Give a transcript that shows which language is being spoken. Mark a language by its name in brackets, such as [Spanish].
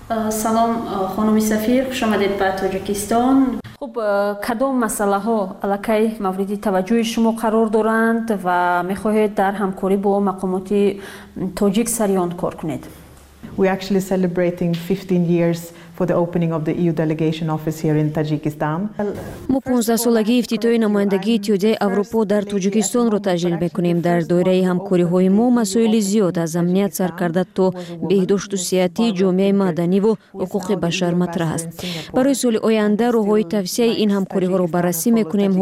[Persian] سلام خانم سفیر، خوش آمدید به تاجیکستان. خب کدام مسئله ها علاقه مورد توجه شما قرار دارند و میخواهید در همکاری با مقامات تاجیک سریان کار کنید؟ [English] We actually celebrating 15 years for the opening of the EU delegation office here in Tajikistan. [Tajik] Мо 15 солаги ифтитои намояндаги Итиҳодияи Аврупо дар Тоҷикистон ро таҷлил мекунем. Дар доираи ҳамкориҳои мо масоили зиёд аз амният сар карда то беҳдошту сиҳатӣ, ҷомеаи маданӣ ва ҳуқуқи башар матраҳ аст. Барои соли оянда роҳҳои тавсеаи ин ҳамкориҳоро баррасӣ мекунем.